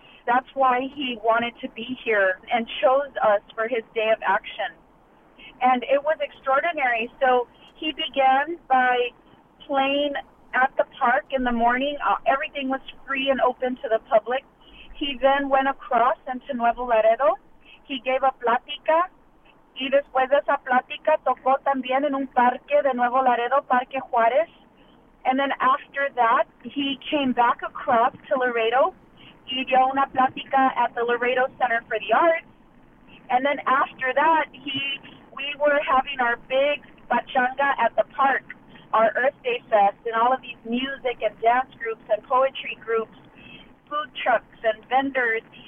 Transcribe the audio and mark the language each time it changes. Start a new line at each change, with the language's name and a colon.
English: That's why he wanted to be here and chose us for his day of action. And it was extraordinary. So he began by playing at the park in the morning. Everything was free and open to the public. He then went across into Nuevo Laredo. He gave a plática.
Spanish: Y después de esa plática, tocó también en un parque de Nuevo Laredo, Parque Juárez.
English: And then after that, he came back across to Laredo
Spanish: y dio una plática
English: at the Laredo Center for the Arts. And then after that, we were having our big pachanga at the park, our Earth Day Fest, and all of these music and dance groups and poetry groups, food trucks and vendors.